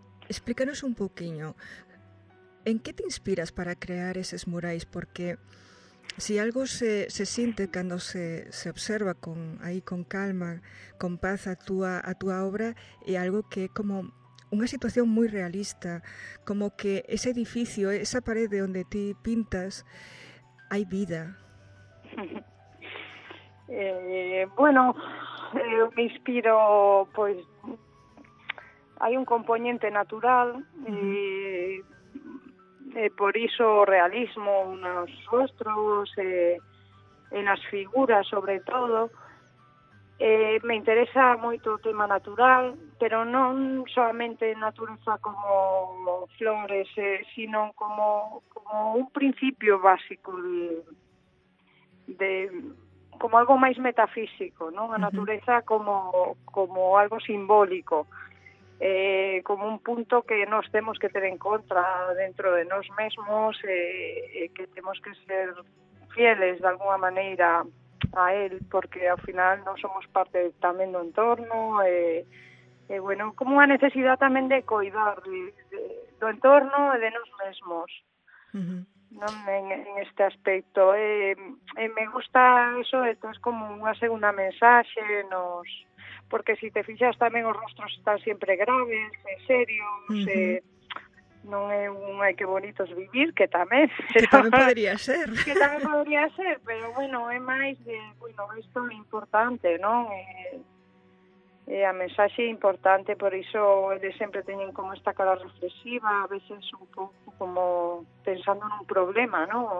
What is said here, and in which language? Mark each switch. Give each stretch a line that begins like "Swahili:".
Spanish: Explícanos un poquinho, ¿en qué te inspiras para crear esos murais?
Galician: Porque si algo se siente cando se observa con calma, con paz a tua obra, é algo que é como unha situación moi realista, como que ese edificio, esa parede onde ti pintas, hai vida. Eu me inspiro, pois, hai un componente natural, e por iso o realismo nos rostros, e nas figuras, sobre todo. Me interesa moito o tema natural, pero non solamente natureza como flores, sino como un principio básico de como algo máis metafísico, ¿no? A natureza como algo simbólico, como un punto que nos temos que ter en contra dentro de nós mesmos, que temos que ser fieles de alguna maneira a él, porque ao final non somos parte tamén do entorno, bueno, como unha necesidad tamén de cuidar do entorno e de nós mesmos. Uh-huh. En este aspecto.
Spanish: Me gusta eso, esto es como una segunda mensaje, porque si te fijas también los rostros están siempre graves, serios,
Galician: non é un ai que bonitos vivir, que tamén. Que tamén podría ser, pero bueno, é máis de, bueno, isto é importante, non? A mensaxe é importante, por iso eles sempre teñen como esta cara reflexiva, a veces un pouco como pensando nun problema, ¿no?